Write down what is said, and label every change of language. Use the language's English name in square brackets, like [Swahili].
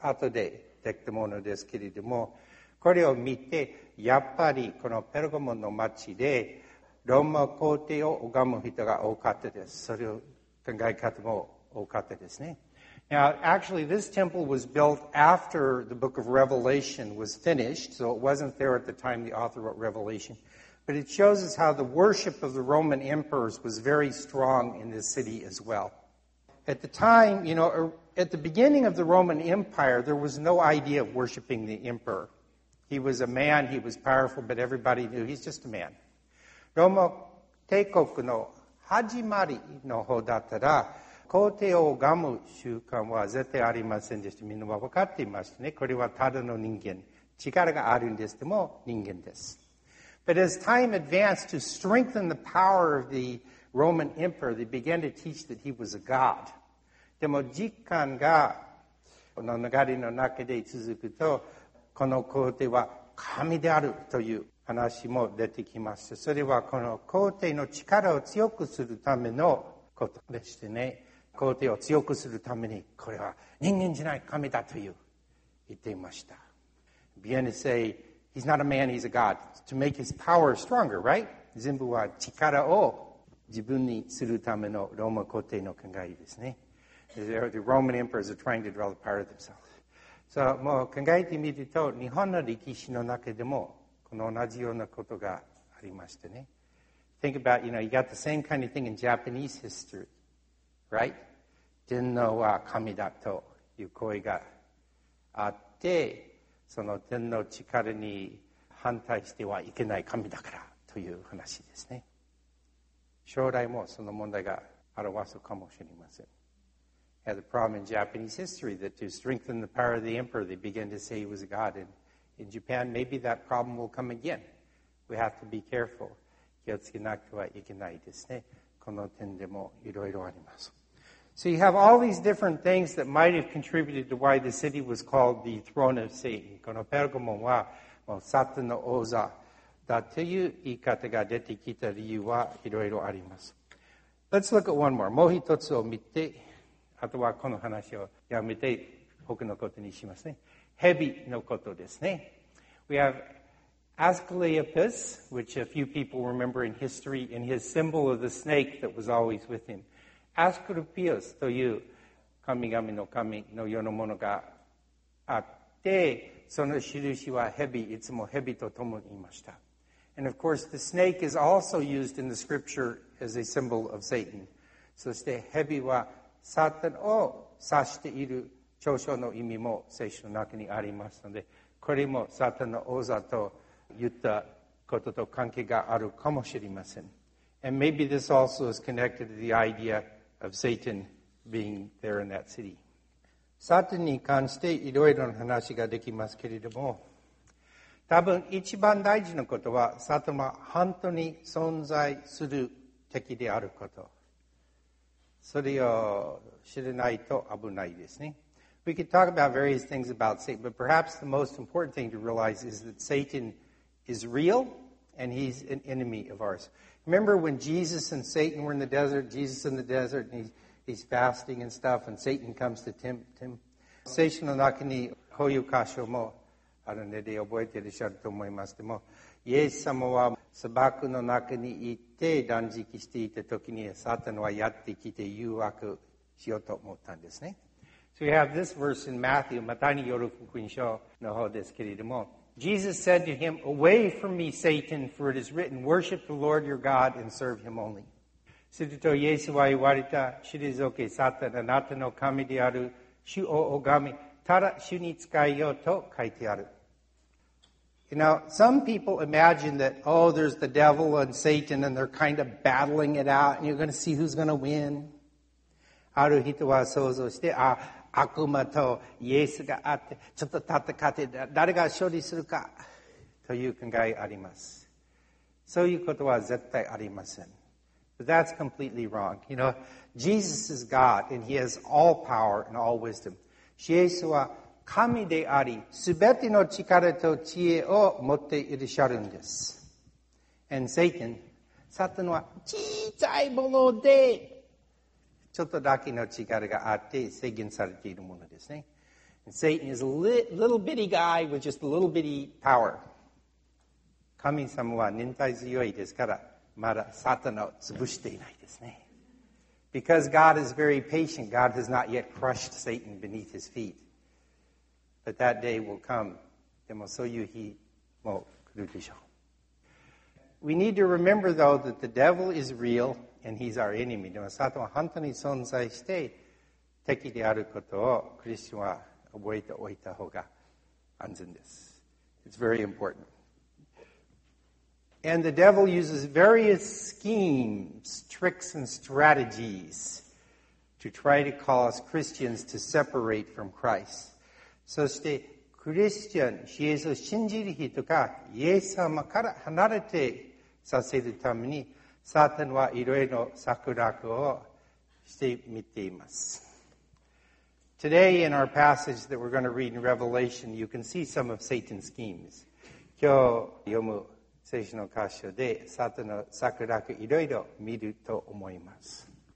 [Japanese] 後でできたものですけれども、これを見て、やっぱりこのペルゴモの町でローマ皇帝を拝む人が多かったです。それを考え方も多かったですね。 [English] Now, actually, this temple was built after the book of Revelation was finished, so it wasn't there at the time the author wrote Revelation. But it shows us how the worship of the Roman emperors was very strong in this city as well. At the time, you know, at the beginning of the Roman Empire, there was no idea of worshiping the emperor. He was a man, he was powerful, but everybody knew he's just a man. [Japanese] ローマ帝国の始まりの方だったら、皇帝を拝む習慣は絶対ありませんでした。みんなは分かっていましたね。これはただの人間。力があるんですけども、人間です。 [English] But as time advanced to strengthen the power of the Roman emperor, they began to teach that he was a god. [Japanese] でも時間がこの流れの中で続くと、この皇帝は神であるという話も出てきました。それはこの皇帝の力を強くするためのことでしてね。皇帝を強くするためにこれは人間じゃない神だという言っていました。 [English] Bien to say, he's not a man, he's a god. To make his power stronger, right? [Japanese] 全部は力を自分にするためのローマ皇帝の考えですね。 [English] The Roman emperors are trying to develop power themselves. [Japanese] So, もう考えてみると日本の歴史の中でもこの同じようなことがありましたね。 [English] Think about, you know, you got the same kind of thing in Japanese history, right? [Japanese] 天皇は神だという声があって、その天皇力に反対してはいけない神だからという話ですね。将来もその問題が表すかもしれません。 [English] Had the problem in Japanese history that to strengthen the power of the emperor, they began to say he was a god. And in Japan, maybe that problem will come again. We have to be careful. [Japanese] 気をつけなくてはいけないですね。この点でもいろいろあります。 [English] So you have all these different things that might have contributed to why the city was called the throne of Satan. [Japanese] このペルゴモンはもうサタンの王座だという言い方が出てきた理由はいろいろあります。 [English] Let's look at one more. [Japanese] もう一つを見て、あとはこの話をやめて他のことにしますね。蛇のことですね。 [English] We have Asclepius, which a few people remember in history, and his symbol of the snake that was always with him. [Japanese] Asclepius という神々の神の世のものがあって、その印は蛇、いつも蛇と共にいました。 [English] And of course, the snake is also used in the scripture as a symbol of Satan. [Japanese] そして蛇はサタンを指している嘲笑の意味も聖書の中にありますので、これもサタンの王座と言ったことと関係があるかもしれません。 [English] And maybe this also is connected to the idea of Satan being there in that city. [Japanese] サタンに関していろいろな話ができますけれども、多分一番大事なことは、サタンは本当に存在する敵であること。それを知らないと危ないですね。 [English] We could talk about various things about Satan, but perhaps the most important thing to realize is that Satan is real and he's an enemy of ours. Remember when Jesus and Satan were in the desert, Jesus in the desert, and he's fasting and stuff, and Satan comes to tempt him? [Japanese] 聖書の中にこういう箇所もあるので覚えていらっしゃると思いますけども、イエス様は砂漠の中に行って断食していた時にサタンはやってきて誘惑しようと思ったんですね。 [English] So we have this verse in Matthew, [Japanese] マタイによる福音書の方ですけれども、 [English] Jesus said to him, Away from me, Satan, for it is written, Worship the Lord your God and serve him only. [Japanese] すると、イエスは言われた、退け、サタン、あなたの神である、主を拝み、ただ主に仕えよと書いてある。 [English] You know, some people imagine that, oh, there's the devil and Satan, and they're kind of battling it out, and you're going to see who's going to win. [Japanese] ある人は想像して、あ、悪魔とイエスがあって、ちょっと戦って、誰が勝利するかという考えあります。そういうことは絶対ありません。 [English] But that's completely wrong. You know, Jesus is God, and he has all power and all wisdom. [Japanese] イエスは神であり、すべての力と知恵を持っていらっしゃるんです。 [English] And Satan, [Japanese] サタンは小さいもので、ちょっとだけの力があって制限されているものですね。 [English] And Satan is a little bitty guy with just a little bitty power. [Japanese] 神様は忍耐強いですから、まだサタンを潰していないですね。 [English] Because God is very patient, God has not yet crushed Satan beneath his feet. But that day will come. [Japanese] でもそういう日も来るでしょう。 [English] We need to remember, though, that the devil is real. And he's our enemy. [Japanese] でもサタンは本当に存在して敵であることをクリスチャンは覚えておいた方が安全です。 [English] It's very important. And the devil uses various schemes, tricks, and strategies to try to call us Christians to separate from Christ. [Japanese] そしてクリスチャン、イエスを信じる人がイエス様から離れてさせるためにサタンはいろいろ策略をしてみています。 [English] Today in our passage that we're going to read in Revelation, you can see some of Satan's schemes. [Japanese] 今日読む聖書の箇所でサタンの策略いろいろ見ると思います。